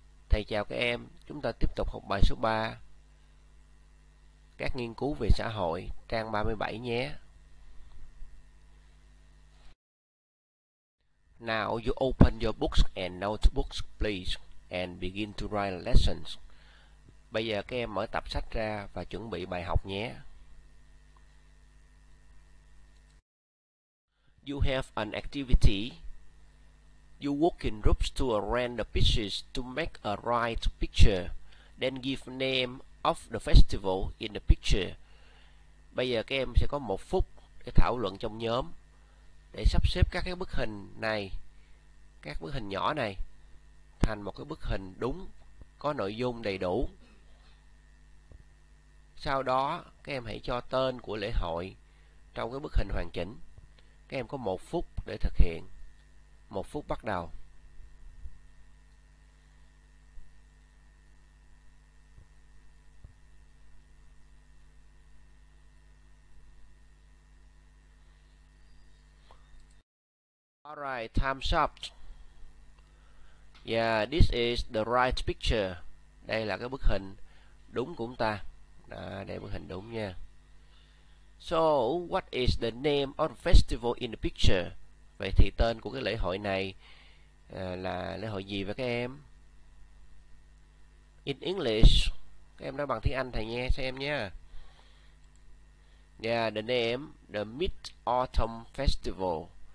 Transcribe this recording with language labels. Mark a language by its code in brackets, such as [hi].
[vi] Thầy chào các em, chúng ta tiếp tục học bài số 3, các nghiên cứu về xã hội, trang 37 nhé. [en] Now you open your books and notebooks, please, and begin to write lessons. [vi] Bây giờ các em mở tập sách ra và chuẩn bị bài học nhé. [en] You have an activity. You work in groups to arrange the pieces to make a right picture. Then give name of the festival in the picture. [vi] Bây giờ các em sẽ có một phút để thảo luận trong nhóm để sắp xếp các cái bức hình này, các bức hình nhỏ này thành một cái bức hình đúng, có nội dung đầy đủ. Sau đó, các em hãy cho tên của lễ hội trong cái bức hình hoàn chỉnh. Các em có một phút để thực hiện. Một phút bắt đầu. [en] Alright, time's up. Yeah, this is the right picture. [vi] Đây là cái bức hình đúng của ta. À, đây bức hình đúng nha. [en] So, what is the name of the festival in the picture? [vi] Vậy thì tên của cái lễ hội này là lễ hội gì với các em? [en] In English, [vi] các em nói bằng tiếng Anh thầy nghe xem nha. [en] Yeah, the name, the Mid-Autumn Festival.